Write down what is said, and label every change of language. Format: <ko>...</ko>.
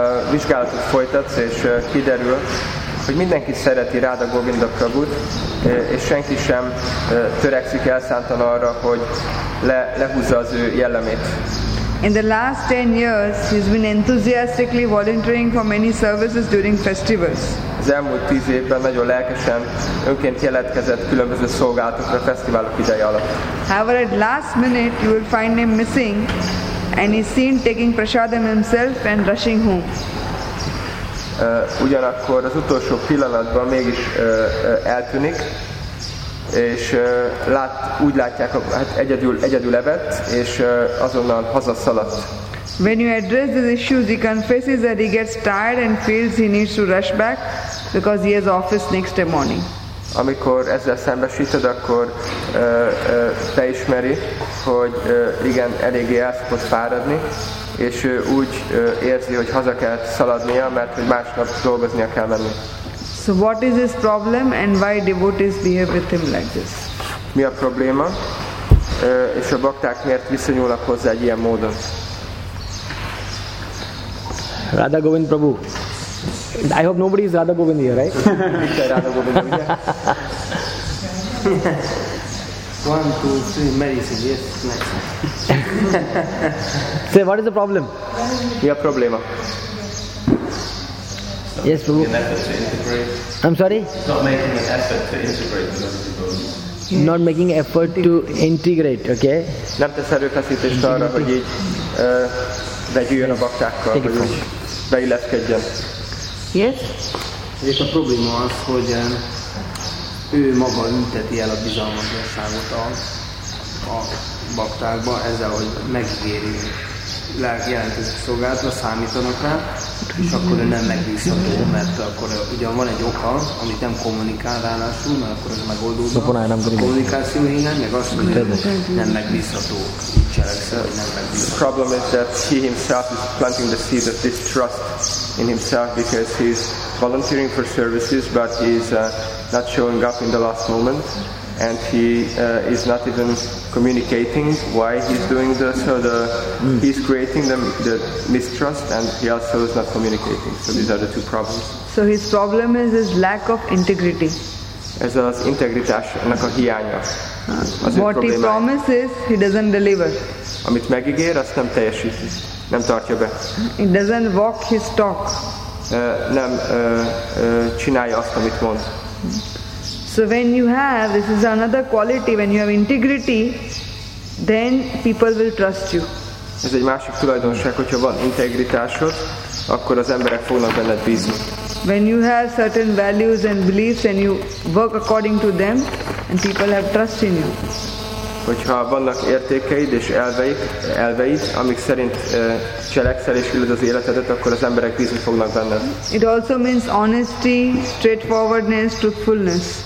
<hu>Vizsgálatot folytatsz, és kiderül, hogy mindenki szereti Radha Govinda Prabhut, és senki sem törekszik elszántan arra, hogy lehúzza az ő jellemét.</hu> <en>In the last 10 years, he's been enthusiastically volunteering for many services during festivals.</en> <hu>Az elmúlt 10 évben nagyon lelkesen önként jelentkezett különböző szolgálatokra fesztiválok ideje alatt.</hu> <en>However, at last minute, you will find him missing, and he's seen taking prasadam himself and rushing home.</en> <hu>Ugyanakkor az utolsó pillanatban mégis eltűnik, és úgy látják, hát egyedül evett, és azonnal hazaszaladt.</hu> <en>When you address these issues, he confesses that he gets tired and feels he needs to rush back because he has office next day morning.</en> <hu>Amikor ezzel szembesíted, akkor te ismeri, hogy igen, eléggé el fogod fáradni, és ő úgy érzi, hogy haza kell szaladnia, mert hogy másnap dolgoznia kell menni.</hu> <en>So what is his problem and why devotees behave with him like this?</en> <hu>Mi a probléma? És a bakták miért viszonyulnak hozzá egy ilyen módon?</hu> <en>Radha Govind Prabhu. I hope nobody is Radha Govind here, right? One, two, three, medicine, yes, next. Say, what is the problem? Your problem. Yes, Prabhu. I'm sorry? Not making an effort to integrate. Not making effort to integrate, okay?</en> <hu>Nem tesz erőfeszítést arra, hogy így vegyüljön a baktákkal, hogy úgy beilleszkedjen.</hu> <en>Yes.</en> <hu>És a probléma az, hogy ő maga ünteti el a bizalmatlanságot a baktákba, ezzel, hogy megígéri jelentős szolgálatra, számítanak rá, és akkor ő nem megbízható, mert akkor ugyan van egy oka, amit nem kommunikál ráadásul, mert akkor ez megoldódna a kommunikáció hinnen, meg azt, hogy nem megbízható.</hu> <en>The problem is that he himself is planting the seed of distrust in himself because he is volunteering for services but he is not showing up in the last moment and he is not even communicating why he is doing this. So he is creating the mistrust and he also is not communicating. So these are the two problems. So his problem is his lack of integrity.</en> <hu>Ez az integritásnak a hiánya.</hu> <en>What he promises, he doesn't deliver.</en> <hu>Amit megígér, azt nem teljesíti, nem tartja be.</hu> <en>He doesn't walk his talk.</en> <hu>Nem csinálja azt, amit mond.</hu> <en>So when you have, this is another quality, when you have integrity, then people will trust you.</en> <hu>Ez egy másik tulajdonság, hogyha van integritásod, akkor az emberek fognak benned bízni.</hu> <en>When you have certain values and beliefs and you work according to them and people have trust in you.</en> <hu>Hogyha vannak értékeid és elveid, amik szerint cselekszel és élöd az életedet, akkor az emberek bízni fognak benned.</hu> <en>It also means honesty, straightforwardness, truthfulness.</en>